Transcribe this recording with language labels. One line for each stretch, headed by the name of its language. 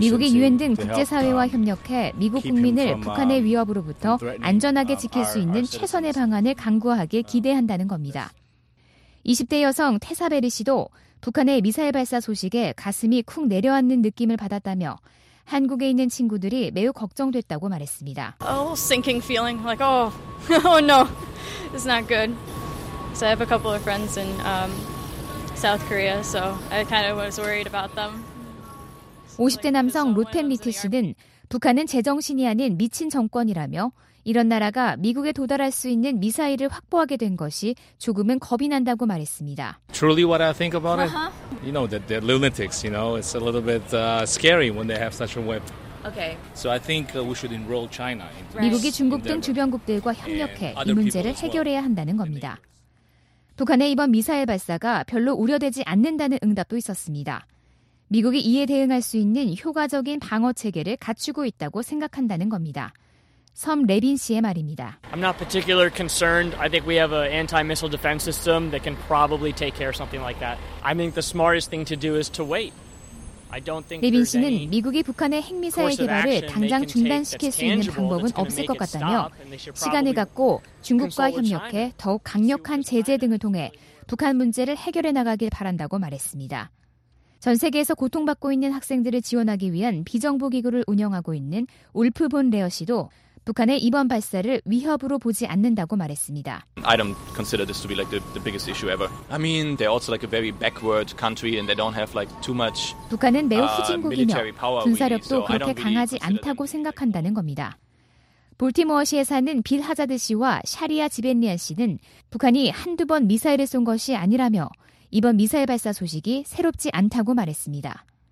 Korean: 미국이 유엔 등 국제사회와 협력해 미국 국민을 북한의 위협으로부터 안전하게 지킬 수 있는 최선의 방안을 강구하게 기대한다는 겁니다. 20대 여성 테사베리 씨도 북한의 미사일 발사 소식에 가슴이 쿵 내려앉는 느낌을 받았다며 한국에 있는 친구들이 매우 걱정됐다고 말했습니다.
English: A sinking feeling, like oh, oh no, it's not good. So I have a couple of friends and South Korea, so I kind of was worried about them.
Korean: 50대 남성 로텐 미트 씨는 북한은 제정신이 아닌 미친 정권이라며 이런 나라가 미국에 도달할 수 있는 미사일을 확보하게 된 것이 조금은 겁이 난다고 말했습니다.
English: Truly what I think about it. You know that they're lunatics, you know. It's a little bit scary when they have such a weapon. Okay. So I think we should enroll China.
Korean: 미국이 중국 등 주변국들과 협력해 이 문제를 해결해야 한다는 겁니다. 북한의 이번 미사일 발사가 별로 우려되지 않는다는 응답도 있었습니다. 미국이 이에 대응할 수 있는 효과적인 방어 체계를 갖추고 있다고 생각한다는 겁니다. 섬 레빈 씨의 말입니다.
English: I'm not particularly concerned. I think we have an anti-missile defense system that can probably take care of something like that. I think the smartest thing to do is to wait. I don't think
Korean: 레빈 씨는 미국이 북한의 핵미사일 개발을 당장 중단시킬 수 있는 방법은 없을 것 같다며 시간을 갖고 중국과 협력해 더욱 강력한 제재 등을 통해 북한 문제를 해결해 나가길 바란다고 말했습니다. 전 세계에서 고통받고 있는 학생들을 지원하기 위한 비정부기구를 운영하고 있는 울프 본 레어 씨도 북한의 이번 발사를 위협으로 보지 않는다고 말했습니다.
English: I don't consider this to be like the biggest issue ever. I mean, they're also like a very backward country and they don't have like too much.
Korean: 북한은 매우 후진국이며 군사력도 그렇게 강하지 않다고 생각한다는 겁니다. 볼티모어시에 사는 빌 하자드 씨와 샤리아 지벤리안 씨는 북한이 한두 번 미사일을 쏜 것이 아니라며 이번 미사일 발사 소식이 새롭지 않다고 말했습니다.